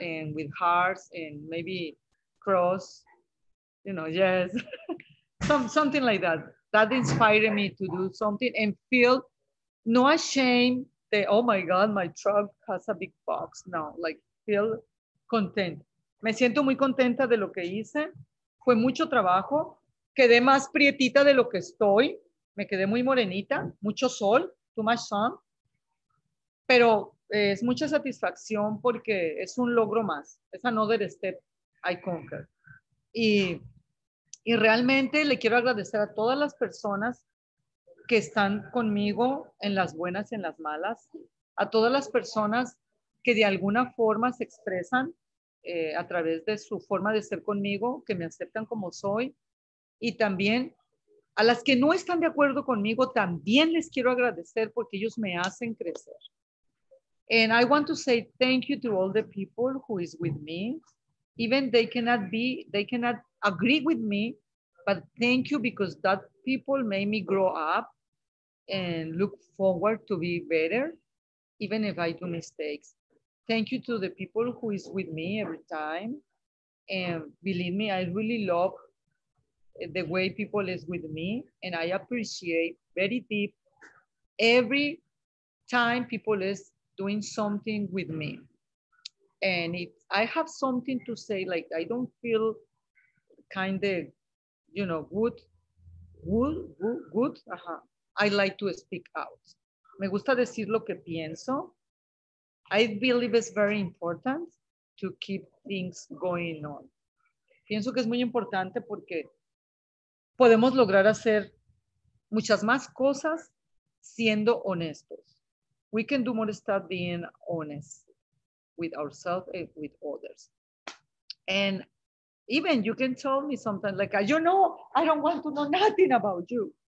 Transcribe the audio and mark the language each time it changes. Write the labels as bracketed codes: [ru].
[en] And with hearts and maybe cross, you know, yes, something like that. That inspired me to do something and feel no shame that, oh my God, my truck has a big box now, like feel content. [es] Me siento muy contenta de lo que hice. Fue mucho trabajo. Quedé más prietita de lo que estoy. Me quedé muy morenita, mucho sol, [en] too much sun. [es] Pero es mucha satisfacción porque es un logro más. Es [en] another step I conquer. [es] Y realmente le quiero agradecer a todas las personas que están conmigo en las buenas y en las malas, a todas las personas que de alguna forma se expresan a través de su forma de ser conmigo, que me aceptan como soy, y también a las que no están de acuerdo conmigo, también les quiero agradecer porque ellos me hacen crecer. [en] And I want to say thank you to all the people who is with me. Even they cannot agree with me, but thank you because that people made me grow up and look forward to be better, even if I do mistakes. Thank you to the people who is with me every time. And believe me, I really love the way people is with me. And I appreciate very deep every time people is doing something with me. And if I have something to say, like I don't feel kind of, you know, good. I like to speak out. [es] Me gusta decir lo que pienso. [en] I believe it's very important to keep things going on. [es] Pienso que es muy importante porque podemos lograr hacer muchas más cosas siendo honestos. [en] We can do more stuff being honest with ourselves and with others. And even you can tell me sometimes like, you know, I don't want to know nothing about you.